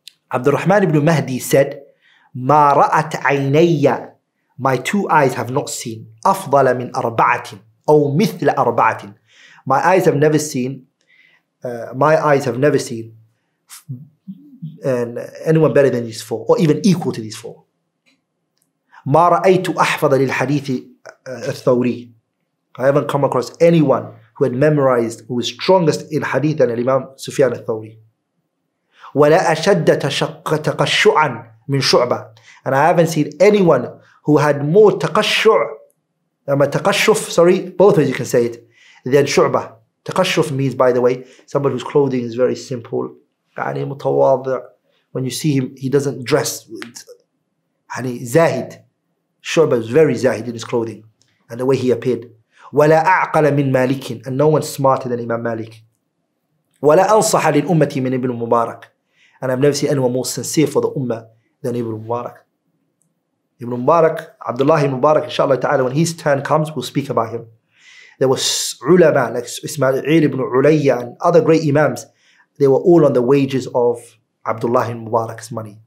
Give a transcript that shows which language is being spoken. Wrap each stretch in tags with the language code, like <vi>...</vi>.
<en>Abdurrahman ibn Mahdi said,</en> <ar>ما رأت عيني,</ar> <en>my two eyes have not seen,</en> <ar>أفضل من أربعة, أو مثل أربعة.</ar> <en>My eyes have never seen, anyone better than these four, or even equal to these four.</en> <ar>ما رأيت أحفظ للحديث الثوري.</ar> <en>I haven't come across anyone who had memorized, who was strongest in hadith than Imam Sufyan al-Thawri.</en> <ar>ولا أشد تقشعا من شعبة.</ar> <en>And I haven't seen anyone who had more تقشف, both ways you can say it, than شعبة. تقشف means, by the way, somebody whose clothing is very simple.</en> <ar>يعني متواضع.</ar> <en>When you see him, he doesn't dress.</en> <ar>يعني زاهد.</ar> <en>شعبة is very زاهد in his clothing and the way he appeared.</en> <ar>ولا أعقل من مالك.</ar> <en>And no one smarter than Imam Malik.</en> <ar>ولا أنصح للأمة من ابن المبارك.</ar> <en>And I've never seen anyone more sincere for the Ummah than Ibn Mubarak. Ibn Mubarak, Abdullah ibn Mubarak, inshallah ta'ala, when his turn comes, we'll speak about him. There was ulama, like Ismail ibn Ulayya and other great imams, they were all on the wages of Abdullah ibn Mubarak's money.</en>